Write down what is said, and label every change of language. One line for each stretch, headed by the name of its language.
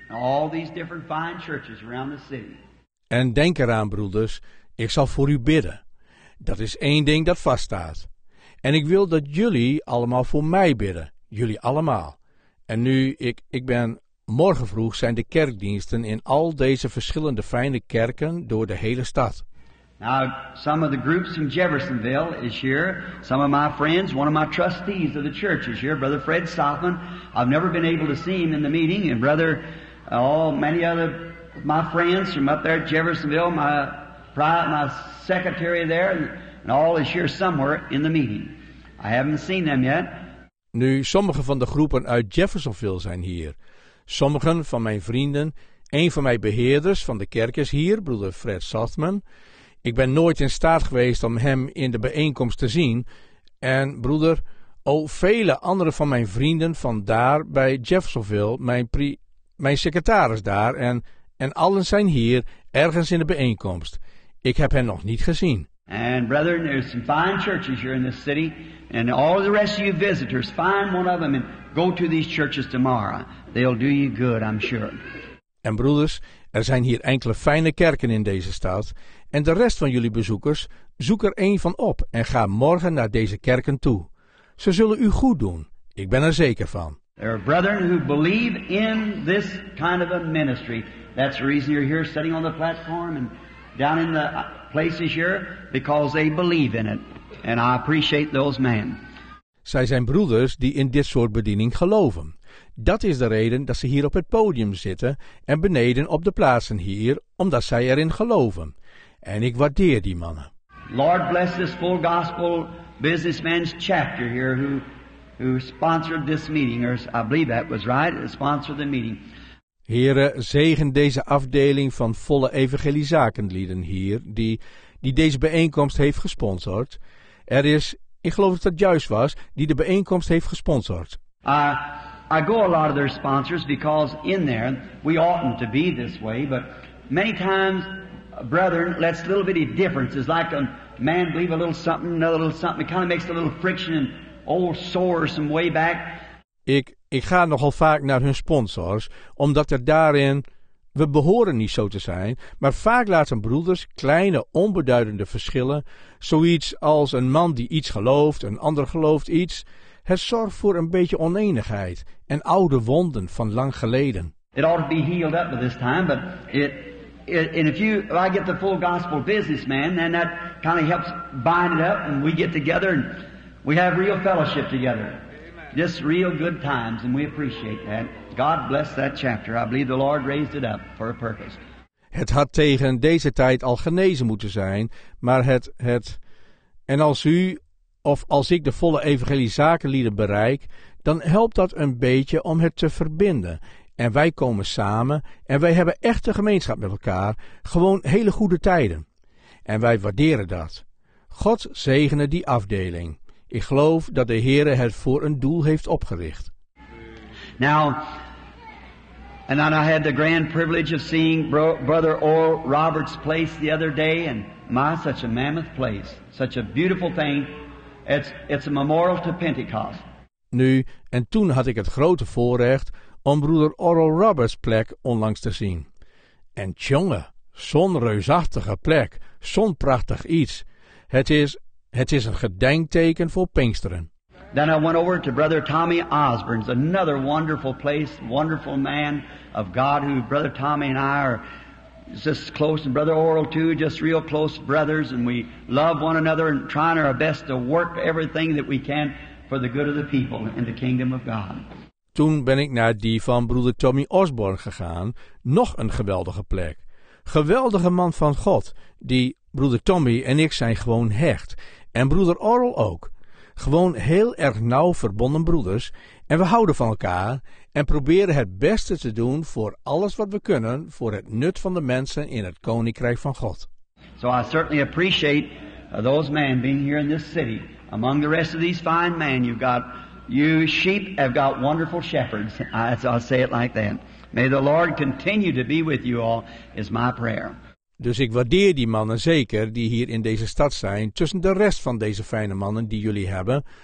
English: All these different fine churches around the city.
Dutch: En denk eraan, broeders, ik zal voor u bidden. Dat is één ding dat vaststaat. En ik wil dat jullie allemaal voor mij bidden. Jullie allemaal. En nu, ik ben... Morgen vroeg zijn de kerkdiensten in al deze verschillende fijne kerken door de hele stad.
English: Now, some of the groups in Jeffersonville is here. Some of my friends, one of my trustees of the church is here, Brother Fred Stoffman. I've never been able to see him in the meeting. And Brother, many other of my friends from up there at Jeffersonville, my secretary there, and all is here somewhere in the meeting. I haven't seen them yet.
Dutch: Nu, sommige van de groepen uit Jeffersonville zijn hier. Sommigen van mijn vrienden, een van mijn beheerders van de kerk is hier, broeder Fred Sothman. Ik ben nooit in staat geweest om hem in de bijeenkomst te zien. En broeder, vele andere van mijn vrienden van daar bij Jeffersonville, mijn secretaris daar, en allen zijn hier, ergens in de bijeenkomst. Ik heb hen nog niet gezien.
English: And brethren, there's some fine churches here in this city, and all the rest of you visitors, find one of them and go to these churches tomorrow. They'll do you good, I'm sure.
Dutch: En broeders, er zijn hier enkele fijne kerken in deze stad, en de rest van jullie bezoekers, zoek er een van op en ga morgen naar deze kerken toe. Ze zullen u goed doen, ik ben er zeker van.
English: There are brethren who believe in this kind of a ministry. That's the reason you're here sitting on the platform and down in the places here, because they believe in it. And I appreciate those men.
Dutch: Zij zijn broeders die in dit soort bediening geloven. Dat is de reden dat ze hier op het podium zitten en beneden op de plaatsen hier, omdat zij erin geloven. En ik waardeer die mannen.
English: Lord bless this full gospel businessman's chapter here who sponsored this meeting. I believe that was right. Sponsored the meeting.
Dutch: Heren, zegen deze afdeling van volle evangeliezakenlieden hier, die deze bijeenkomst heeft gesponsord. Er is, ik geloof dat juist was, die de bijeenkomst heeft gesponsord.
English: I go a lot of their sponsors because in there we oughtn't to be this way, but many times, brethren, lets little bitty differences, like a man believe a little something, another little something, it kind of makes a little friction and old sores from way back.
Dutch: Ik ga nogal vaak naar hun sponsors, omdat er daarin, we behoren niet zo te zijn, maar vaak laten broeders kleine, onbeduidende verschillen, zoiets als een man die iets gelooft, een ander gelooft iets, het zorgt voor een beetje oneenigheid en oude wonden van lang geleden.
English: It ought to be healed up by this time, but if I get the full gospel businessman, then that kind of helps bind it up, and we get together and we have real fellowship together. Just real good times, and we appreciate that. God bless that chapter. I believe the Lord raised it up for a purpose.
Dutch: Het had tegen deze tijd al genezen moeten zijn, maar het en als u of als ik de volle evangeliezakenlieden bereik, dan helpt dat een beetje om het te verbinden. En wij komen samen en wij hebben echte gemeenschap met elkaar, gewoon hele goede tijden. En wij waarderen dat. God zegene die afdeling. Ik geloof dat de Heere het voor een doel heeft opgericht.
English: Now, and then I had the grand privilege of seeing Brother Oral Roberts' place the other day, and my, such a mammoth place, such a beautiful thing. It's a memorial to Pentecost.
Dutch: Nu, en toen had ik het grote voorrecht om broeder Oral Roberts' plek onlangs te zien. En tjonge, zo'n reusachtige plek, zo'n prachtig iets. Het is een gedenkteken voor Pinksteren.
English: Then I went over to brother Tommy Osborne's, another wonderful place, wonderful man of God, who brother Tommy and I are just close, and brother Oral too, just real close brothers, and we love one another and trying our best to work everything that we can for the good of the people in the kingdom of God.
Dutch: Toen ben ik naar die van broeder Tommy Osborne gegaan, nog een geweldige plek. Geweldige man van God, die broeder Tommy en ik zijn gewoon hecht, en broeder Oral ook. Gewoon heel erg nauw verbonden broeders, en we houden van elkaar en proberen het beste te doen voor alles wat we kunnen voor het nut van de mensen in het Koninkrijk van God.
English: So I certainly appreciate those men being here in this city. Among the rest of these fine men, you've got, you sheep have got wonderful shepherds. I'll say it like that. May the Lord continue to be with you all, is my prayer.
Dutch: Dus ik waardeer die mannen zeker die hier in deze stad zijn, tussen de rest van deze fijne mannen die jullie hebben.